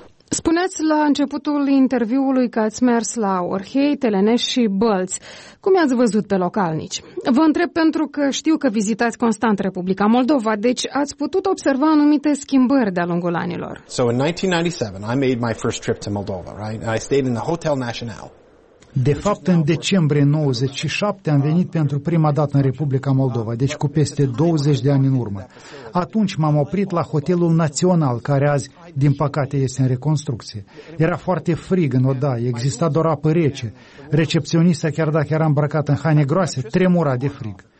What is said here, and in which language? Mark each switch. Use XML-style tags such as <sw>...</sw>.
<ro>Spuneți la începutul interviului că ați mers la Orhei, Telenești și Bălți. Cum i-ați văzut pe localnici? Vă întreb pentru că știu că vizitați constant Republica Moldova, deci ați putut observa anumite schimbări de-a lungul anilor.</ro> <en>So in 1997 I made my first trip to Moldova, right? I stayed in the Hotel National.</en> <ro>De fapt, în decembrie 97 am venit pentru prima dată în Republica Moldova, deci cu peste 20 de ani în urmă. Atunci m-am oprit la Hotelul Național, care azi, din păcate, este în reconstrucție. Era foarte frig în odaie, exista doar apă rece. Recepționista, chiar dacă era îmbrăcat în haine groase, tremura de frig.</ro>